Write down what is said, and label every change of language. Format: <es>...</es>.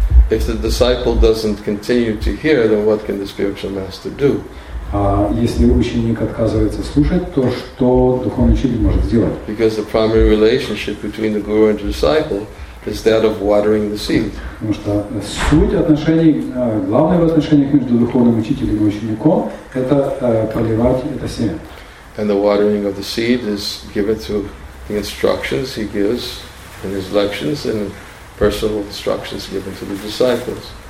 <en>If the disciple doesn't continue to hear, then what can the spiritual master do?</en> <ru>А если ученик отказывается слушать, то что духовный учитель может сделать?</ru> <en>Because the primary relationship between the guru and the disciple is that of watering the seed.</en> <ru>Потому что суть отношений, главное в отношениях между духовным учителем и учеником, это поливать это семя.</ru> <en>And the watering of the seed is given through the instructions he gives in his lectures and personal instructions given to the disciples.</en>